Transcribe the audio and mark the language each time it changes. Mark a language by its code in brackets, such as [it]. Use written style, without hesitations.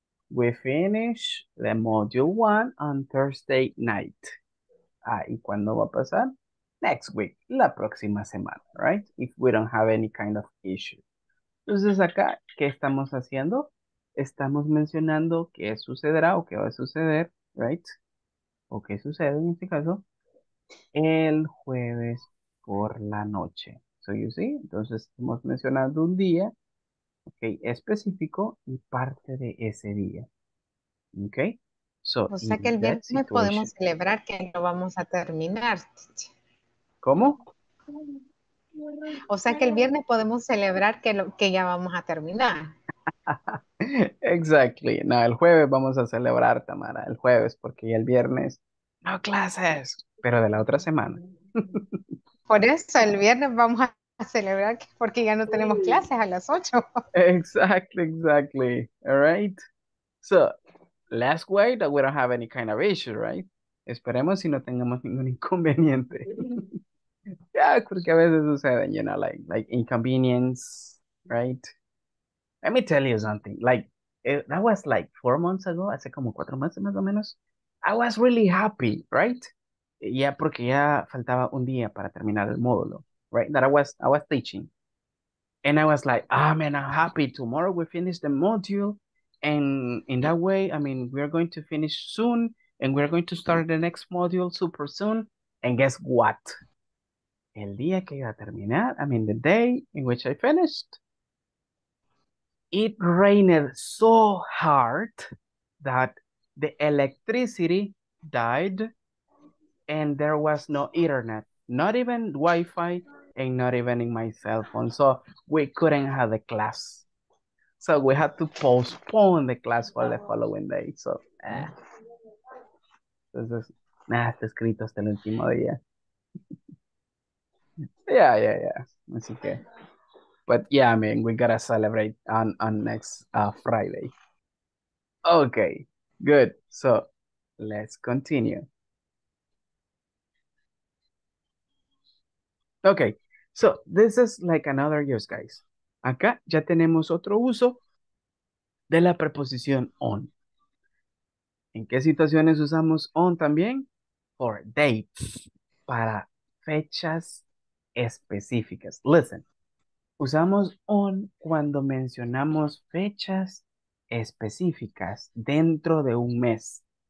[en] We finish the module one on Thursday night. [es] Ah, ¿y cuándo va a pasar? [en] Next week, [es] la próxima semana, right? [en] If we don't have any kind of issue. [es] Entonces acá, ¿qué estamos haciendo? Estamos mencionando qué sucederá o qué va a suceder, right? ¿O qué sucede en este caso? El jueves por la noche. [en] So you see, [es] entonces hemos mencionado un día, ok, específico y parte de ese día. [en] Ok, so, [es] o sea que el viernes podemos celebrar que no vamos a terminar. ¿Cómo? O sea que el viernes podemos celebrar que ya vamos a terminar. [en] Exactly. [es] No, el jueves vamos a celebrar, Tamara, el jueves, porque ya el viernes no clases, pero de la otra semana. Por eso el viernes vamos a celebrar porque ya no tenemos clases a las 8. [en] Exactly, exactly. All right. So, last way that we don't have any kind of issue, right? [es] Esperemos si no tengamos ningún inconveniente. Yeah, porque a veces suceden, [en] you know, like inconvenience, right? Let me tell you something. Like, that was like 4 months ago, [es] hace como 4 meses más o menos. [en] I was really happy, right? [es] Yeah, porque ya faltaba un día para terminar el módulo, right? [en] That I was teaching. And I was like, ah, oh, man, I'm happy. Tomorrow we finish the module. And in that way, I mean, we're going to finish soon. And we're going to start the next module super soon. And guess what? [es] El día que iba a terminar, [en] I mean, the day in which I finished, it rained so hard that the electricity died and there was no internet, not even Wi-Fi and not even in my cell phone. So we couldn't have the class. So we had to postpone the class for the following day. [es] So, entonces, nada, está escrito hasta el último día. Yeah. Así que. [en] But yeah, I mean, we gotta celebrate on next Friday. Okay, good. So let's continue. Okay, so this is like another use, guys. [es] Acá ya tenemos otro uso de la preposición on. ¿En qué situaciones usamos on también? [en] For dates, [es] para fechas específicas. Listen. Usamos on cuando mencionamos fechas específicas dentro de un mes.